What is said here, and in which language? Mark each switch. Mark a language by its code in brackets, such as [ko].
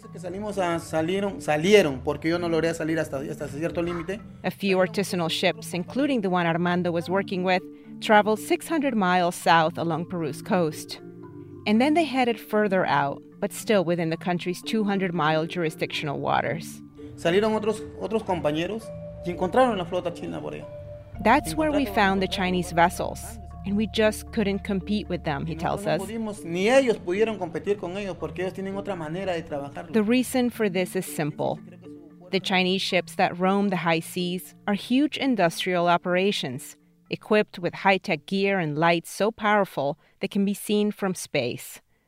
[en] A few artisanal ships, including the one Armando was working with, traveled 600 miles south along Peru's coast. And then they headed further out, but still within the country's 200-mile jurisdictional waters. [es] Salieron otros compañeros y encontraron la flota china por allá. [en] That's where we found the Chinese vessels, and we just couldn't compete with them, he tells us. The reason for this is simple. The Chinese ships that roam the high seas are huge industrial operations, equipped with high-tech gear and lights so powerful they can be seen from space.